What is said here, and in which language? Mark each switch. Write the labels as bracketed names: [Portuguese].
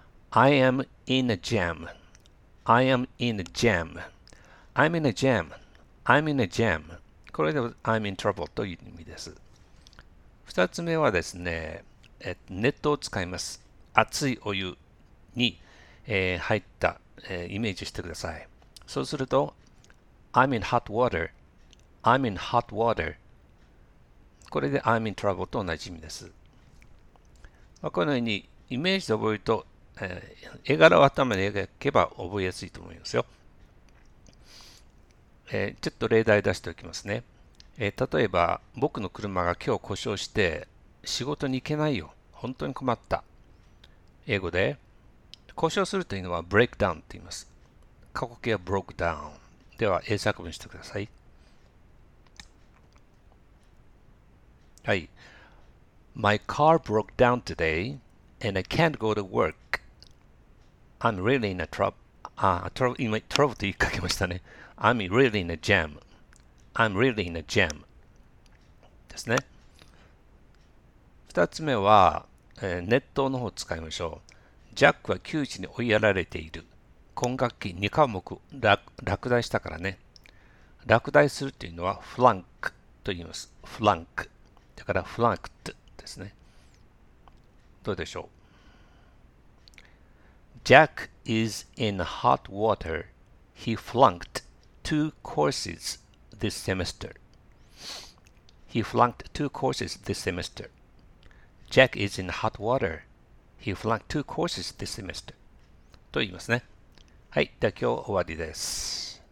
[English] I am in a jam. I am in a jam. I'm in a jam. I'm in a jam. [Japanese] これで [English] I'm in trouble [Japanese] という意味です。二つ目はですね、熱湯を使います。熱いお湯に、入った、イメージしてください。そうすると、 [English] I'm in hot water. I'm in hot water. [Japanese] これで [English] I'm in trouble [Japanese] と同じ意味です。まあ、このようにイメージで覚えると、絵柄を頭に描けば覚えやすいと思いますよ。ちょっと例題出しておきますね。例えば、僕の車が今日故障して仕事に行けないよ。本当に困った。英語で、故障するというのは breakdown と言います。過去形は broke down。では、英作文してください。はい。 [English] My car broke down today and I can't go to work. I'm really in a trouble [Japanese] と言いかけましたね。 [English] I'm really in a jam. I'm really in a jam. ですね。 [Japanese] 二つ目は、熱湯の方を使いましょう。ジャックは窮地に追いやられている。今学期2科目落第したからね。落第するというのはフランクと言います。フランク。だからフランクってですね。どうでしょう。 [English] Jack is in hot water. He flunked two courses this semester. He flunked two courses this semester. Jack is in hot water. He flunked two courses this semester. [Japanese] と言いますね。はい、では今日終わりです。